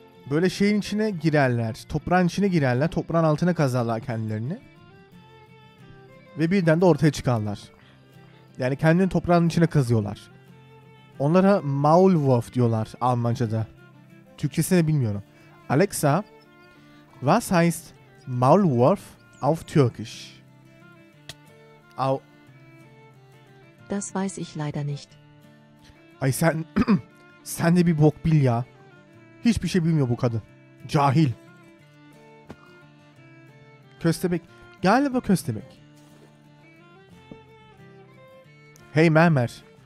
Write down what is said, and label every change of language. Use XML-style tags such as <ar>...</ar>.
<tr>Böyle şeyin içine girerler. Toprağın içine girerler. Toprağın altına kazarlar kendilerini. Ve birden de ortaya çıkarlar. Yani kendini toprağın içine kazıyorlar. Onlara Maulwurf diyorlar Almanca'da. Türkçesini bilmiyorum.</tr> <de>Alexa, was heißt Maulwurf auf Türkisch? Au. Das weiß ich leider nicht.</de> <tr>Ay sen, Sen de bir bok bil ya. Hiçbir şey bilmiyor bu kadın. Cahil. Köstebek. Galiba köstebek. Hey Mermer.</tr>